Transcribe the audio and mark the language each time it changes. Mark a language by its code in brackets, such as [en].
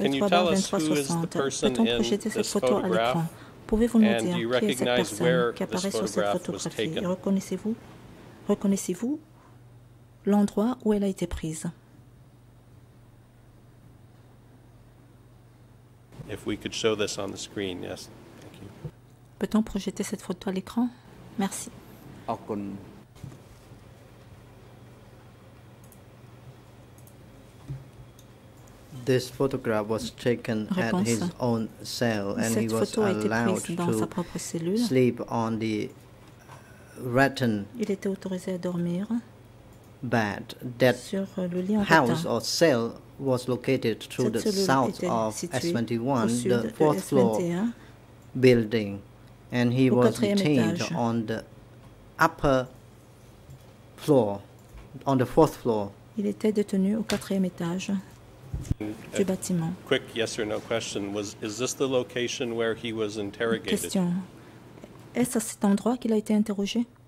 [en] can you tell us who is the person in this photograph, and do you recognize where this photograph was taken? [fr] Reconnaissez-vous l'endroit où elle a été prise? [en] If we could show this on the screen, yes, thank you. [fr] Peut-on projeter cette photo à l'écran? Merci. [en] This photograph was taken at his own cell, and he was allowed to sleep on the rattan. [fr] Il était autorisé à dormir. [en] But that house or cell was located to the south of S21, the fourth floor building. And he was detained on the upper floor, on the fourth floor. [fr] Il était détenu au quatrième étage du bâtiment. [en] Quick yes or no question. Is this the location where he was interrogated? [fr] Question. Est-ce à cet endroit qu'il a été interrogé?